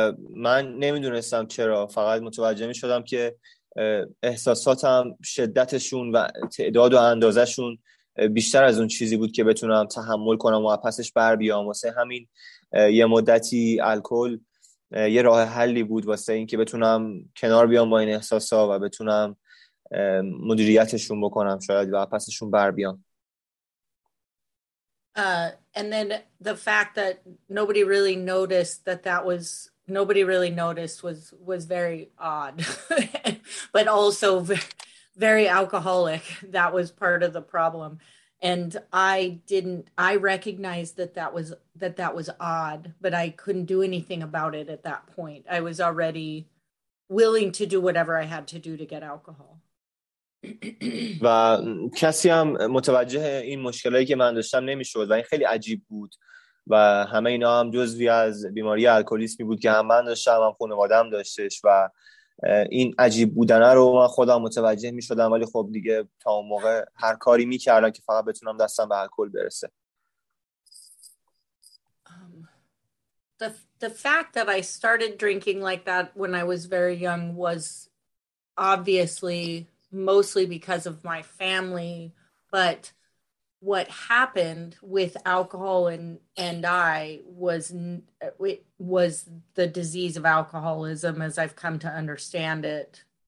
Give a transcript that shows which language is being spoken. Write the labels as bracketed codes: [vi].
[fa] من نمیدونستم چرا، فقط متوجه می شدم که احساساتم شدتشون و تعداد و اندازشون بیشتر از اون چیزی بود که بتونم تحمل کنم و پسش بر بیام. واسه همین یه مدتی الکل یه راه حلی بود واسه این که بتونم کنار بیام با این احساسا و بتونم مدیریتشون بکنم شاید و پسشون بر بیام. [en] And then the fact that nobody really noticed was very odd, but also very alcoholic. That was part of the problem, and I recognized that was odd, but I couldn't do anything about it at that point. I was already willing to do whatever I had to do to get alcohol. [fa] و کسی هم متوجه این مشکلایی که من داشتم نمیشد و این خیلی عجیب بود و همه اینا هم جزوی از بیماری الکلیسمی بود که هم من داشتم هم خانواده‌ام داشتش و این عجیب بودنه رو من خودم متوجه میشدم، ولی خب دیگه تا اون موقع هر کاری میکردم که فقط بتونم دستم به الکل برسه. [en] The fact that I started drinking like that when I was very young was obviously mostly because of my family, but what happened with alcohol and I was the disease of alcoholism as I've come to understand it.